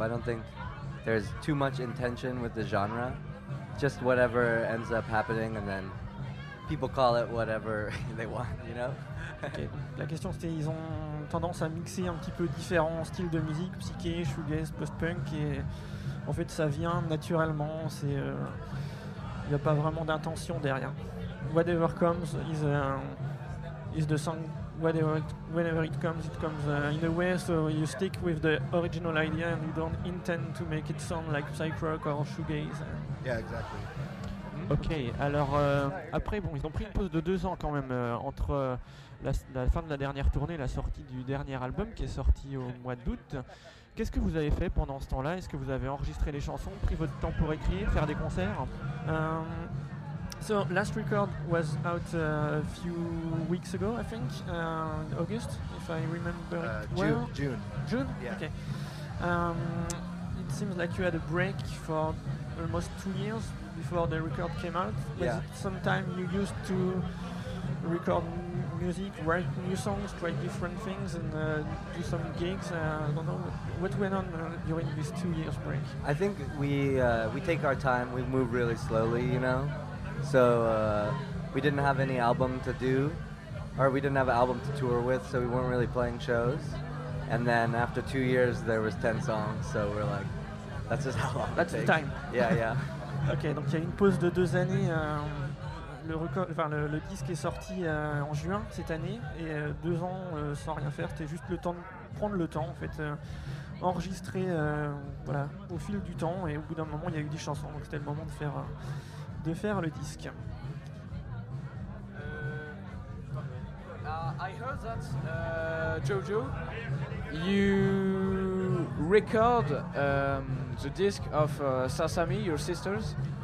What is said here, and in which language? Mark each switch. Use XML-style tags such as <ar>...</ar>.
<en>I don't think there's too much intention with the genre. Just whatever ends up happening, and then people call it whatever they want, you know? Okay.</en> <fr>La question, c'était, ils ont tendance à mixer un petit peu différents styles de musique, psyché, shoegaze, post-punk, et en fait, ça vient naturellement, c'est... Il n'y a pas vraiment d'intention derrière.</fr> <en>Whatever comes is the song. Whenever it comes, in a way, so you stick with the original idea and you don't intend to make it sound like psych rock or shoegaze. Yeah, exactly.</en> <fr>Ok, alors après, bon, ils ont pris une pause de 2 ans quand même entre la fin de la dernière tournée et la sortie du dernier album qui est sorti au mois d'août. Qu'est-ce que vous avez fait pendant ce temps-là? Est-ce que vous avez enregistré les chansons, pris votre temps pour écrire, faire des concerts?</fr> <en>So, last record was out a few weeks ago, I think, in August, if I remember well. June? Yeah. Okay. It seems like you had a break for almost 2 years before the record came out. Was yeah. it sometime you used to record music, write new songs, try different things, and do some gigs? I don't know. What went on during these 2 years break? I think we take our time. We move really slowly, you know? So we didn't have any album to do, or we didn't have an album to tour with, so we weren't really playing shows. And then after 2 years, there was 10 songs, so we're like, that's just how long that's it takes. The time. Yeah, yeah.</en> <fr>Okay, donc il y a une pause de 2 années. Le disque est sorti en juin cette année, et 2 ans sans rien faire, c'était juste le temps de prendre le temps, en fait, enregistrer voilà, au fil du temps, et au bout d'un moment, il y a eu des chansons, donc c'était le moment de faire le disque.</fr> <en>I heard that Jojo, you record the disc of Sasami, your sisters.</en>